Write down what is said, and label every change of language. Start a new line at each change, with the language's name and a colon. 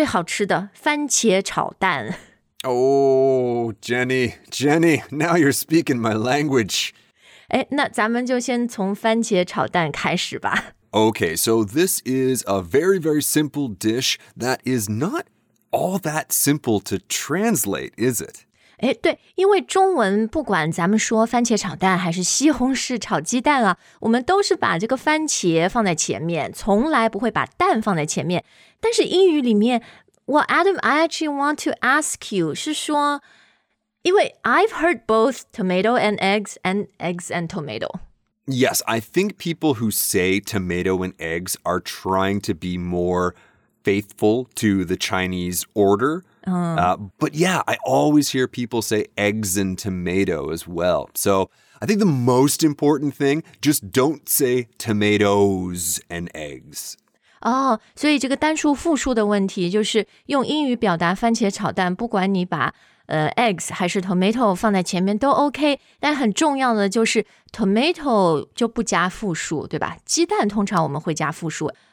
Chinese: 但是见仁见智哈，不过呢，我是觉得鸡蛋啊，就最近吃是大家特别关心的话题，也希望上海的朋友，我爸爸妈妈也还在上海哦，这个吃的问题能越来越好，越来越缓解吧，也希望家里至少有一些鸡蛋可以来做蒸鸡蛋呀，煮鸡蛋啊，或者最好吃的番茄炒蛋。
English: Oh, Jenny, now you're speaking my language.
Chinese: 那咱们就先从番茄炒蛋开始吧。Okay,
English: so this is a very, very simple dish that is not all that simple to translate, is it?
Chinese: 对，因为中文不管咱们说番茄炒蛋还是西红柿炒鸡蛋啊，我们都是把这个番茄放在前面，从来不会把蛋放在前面。但是英语里面，
English: well, Adam, I actually want to ask you,
Chinese: 是说，因为
English: I've heard both tomato and eggs and eggs and tomato. Yes, I think people who say tomato and eggs are trying to be more faithful to the Chinese order. But yeah, I always hear people say eggs and tomato as well. So I think the most important thing, just don't say tomatoes and eggs.
Chinese: 哦，所以这个单数复数的问题就是用英语表达番茄炒蛋， 不管你把eggs还是tomato放在前面都OK， 但很重要的就是tomato就不加复数，对吧？鸡蛋通常我们会加复数。